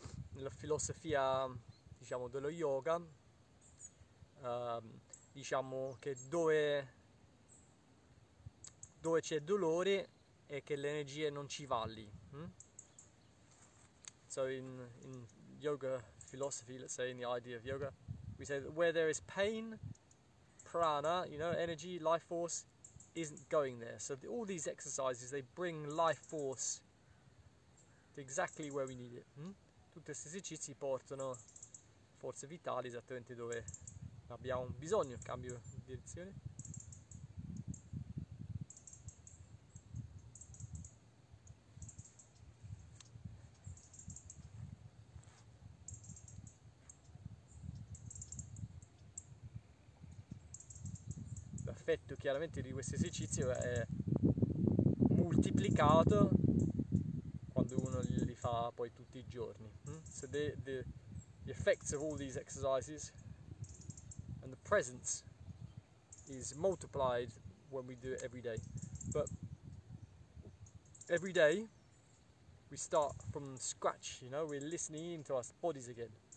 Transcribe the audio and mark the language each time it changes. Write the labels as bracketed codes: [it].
[it] Nella filosofia, diciamo, dello yoga, diciamo che dove c'è dolore è che l'energia non ci va lì. [en] So in yoga philosophy, let's say in the idea of yoga, we say that where there is pain, prana, you know, energy, life force, isn't going there. So all these exercises, they bring life force to exactly where we need it. [it] Tutti questi esercizi portano forze vitali esattamente dove abbiamo bisogno. Cambio direzione. L'effetto chiaramente di questo esercizio è moltiplicato quando uno li fa poi tutti i giorni. [en] So the effects of all these exercises and the presence is multiplied when we do it every day. But every day we start from scratch, you know, we're listening into our bodies again.